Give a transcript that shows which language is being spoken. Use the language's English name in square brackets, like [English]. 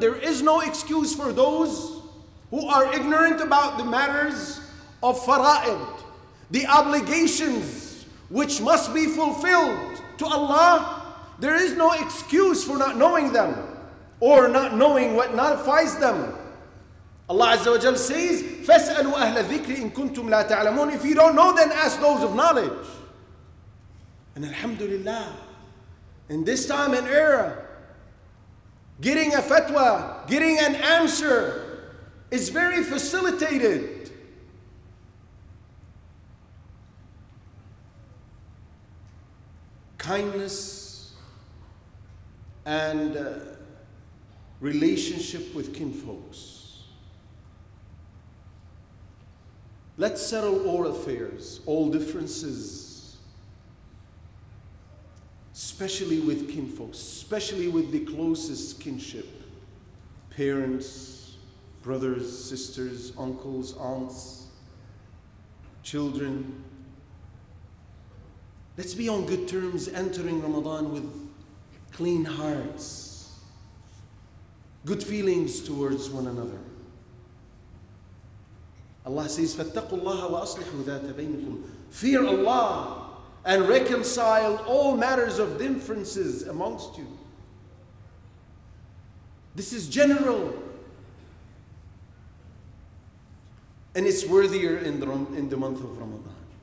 [English] There is no excuse for those who are ignorant about the matters of fara'id, the obligations which must be fulfilled to Allah. There is no excuse for not knowing them or not knowing what nullifies them. Allah Azza wa Jal says, [Arabic] فَاسْأَلُوا أَهْلَ الذِّكْرِ إِن كُنْتُمْ لَا تَعْلَمُونَ. [English] If you don't know, then ask those of knowledge. And alhamdulillah, in this time and era, getting a fatwa, getting an answer is very facilitated. Kindness and relationship with kinfolks. Let's settle all affairs, all differences. Especially with kinfolks, especially with the closest kinship. Parents, brothers, sisters, uncles, aunts, children. Let's be on good terms entering Ramadan with clean hearts, good feelings towards one another. Allah says, [Arabic] فَاتَّقُوا اللَّهَ وَأَصْلِحُوا ذَاتَ بَيْنِكُمْ. [English] Fear Allah and reconcile all matters of differences amongst you. This is general. And it's worthier in the month of Ramadan.